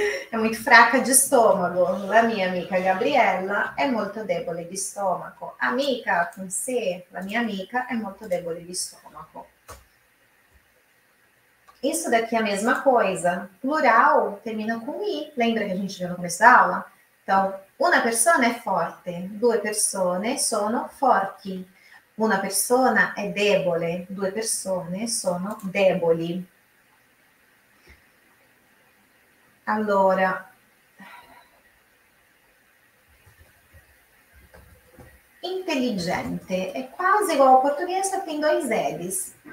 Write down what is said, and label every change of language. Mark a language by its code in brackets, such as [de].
[it] È molto [pt] fraca [it] di stomaco. La mia amica Gabriella è molto debole di stomaco. Amica con sé, la mia amica è molto debole di stomaco. [pt] Isso daqui é a mesma coisa. Plural termina com i. Lembra que a gente viu no começo da aula? Então, uma persona é forte, duas persone [it] sono forti. Una persona è debole, due persone sono deboli. Allora, intelligente è quasi uguale al portoghese, [pt] tem dois L's.